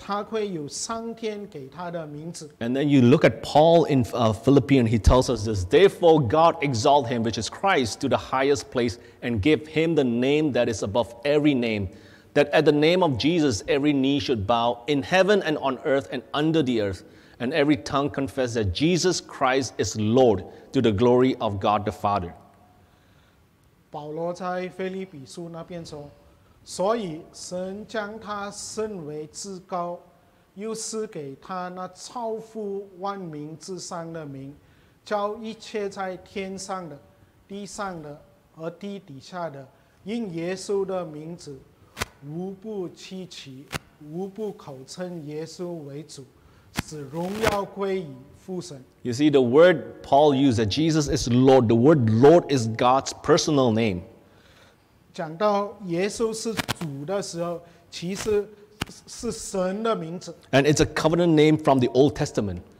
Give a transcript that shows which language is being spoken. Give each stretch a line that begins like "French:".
English: and then you look at Paul in Philippians, he tells us this, therefore God exalted him, which is Christ, to the highest place and gave him the name that is above every name, that at the name of Jesus every knee should bow in heaven and on earth and under the earth, and every tongue confess that Jesus Christ is Lord, to the glory of God the Father.
Chinese: 保罗在腓立比书那边说, 所以神将他升为至高，又赐给他那超乎万名之上的名，叫一切在天上的、地上的和地底下的，因耶稣的名字，无不屈膝，无不口称耶稣为主，只荣耀归于父神。
English: You see, the word Paul used that Jesus is Lord. The word Lord is God's personal name.
Chinese: 讲到耶稣是主的时候，其实是神的名字。
English: And it's a covenant name from the Old Testament.